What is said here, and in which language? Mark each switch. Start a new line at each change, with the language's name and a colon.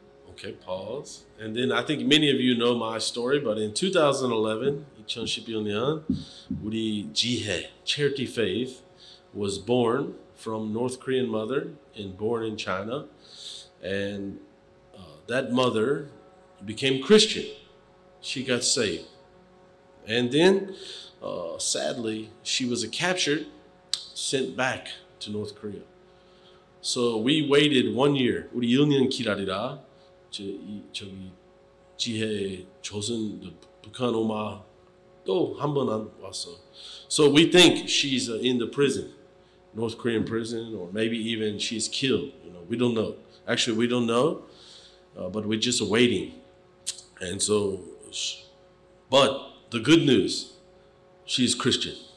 English: Okay, pause. And then I think many of you know my story, but in 2011, 2011년,
Korean: 우리 지혜,
English: charity faith, was born from North Korean mother and born in China. And that mother became Christian. She got saved. And then, sadly, she was captured, sent back to North Korea. So we waited 1 year.
Korean: 우리 1년 기다리라. 저기 지혜 조선 북한 엄마 또 한 번 안 왔어.
English: So we think she's in the prison, North Korean prison, or maybe even she's killed. You know, we don't know. Actually, we don't know, but we're just waiting. And so, but the good news, she's Christian.